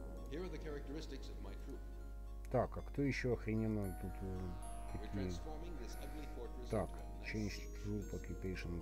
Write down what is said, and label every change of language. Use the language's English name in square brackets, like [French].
[English] Here are the characteristics of my troop. [Russian] Так, а кто еще охрененно тут такие? Так, [English] change troop occupation.